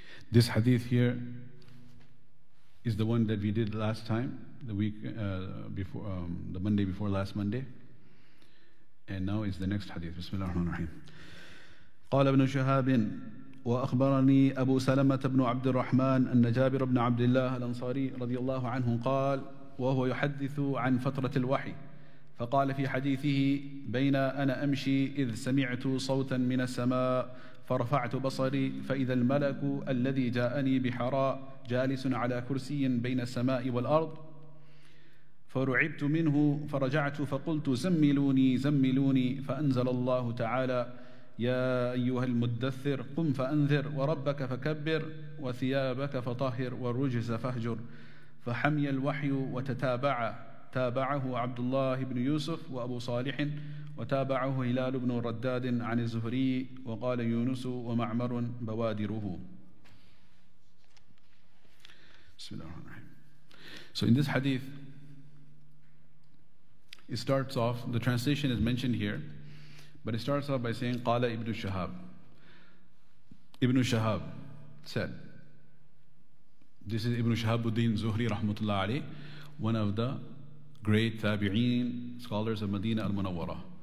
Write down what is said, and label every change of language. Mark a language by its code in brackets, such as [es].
[en] This hadith here is the one that we did last time, the week before, the Monday before last Monday. And now is the next hadith. Bismillah ar-Rahman ar-Rahim. [ar] قال ابن شهاب وأخبرني أبو سلمة بن عبد الرحمن أن جابر بن عبد الله الأنصاري رضي الله عنه قال وهو يحدث عن فترة الوحي فقال في حديثه بين أنا أمشي إذ سمعت صوتا من السماء فرفعت بصري فإذا الملك الذي جاءني بحراء جالس على كرسي بين السماء والأرض فرعبت منه فرجعت فقلت زملوني زملوني فأنزل الله تعالى يا أيها المدثر قم فأنذر وربك فكبر وثيابك فطهر والرجز فاهجر فحمي الوحي وتتابع تابعه عبد الله بن يوسف وأبو صالح وتابعه هلال بن رداد عن الزهري وقال يونس ومعمر بوادره. بسم الله الرحمن الرحيم. [en] So in this hadith, it starts off, the translation is mentioned here, but it starts off by saying, [ar] قال ابن شهاب. [en] Ibn Shahab said, this is Ibn Shahabuddin Zuhri rahmatullah alayh, one of the great tabi'een scholars of Medina al-Munawwara.